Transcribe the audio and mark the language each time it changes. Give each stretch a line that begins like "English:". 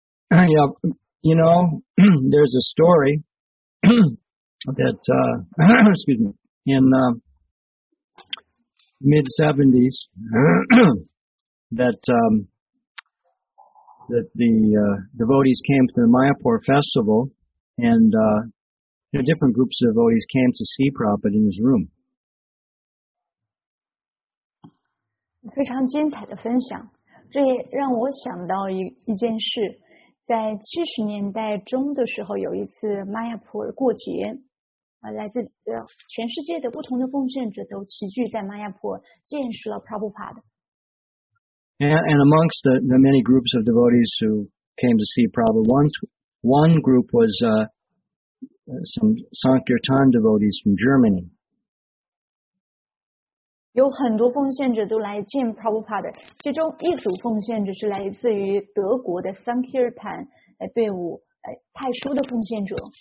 English: Yeah, you know, there's a story that, excuse me, in the mid-70s that the devotees came to the Mayapur festival, and different groups of devotees came to see Prabhupada in his room.
Chinese: 非常精彩的分享。这也让我想到一件事， 在70年代中的时候， 有一次麦亚普尔过节， 来自全世界的不同的奉献者都齐聚在麦亚普尔见识了Prabhupada。
English: And amongst the many groups of devotees who came to see Prabhupada, one group was some Sankirtan devotees from Germany.
Chinese: 有很多奉献者都来见Prabhupada， 其中一组奉献者是来自于德国的Sankirtan队伍， 派书的奉献者。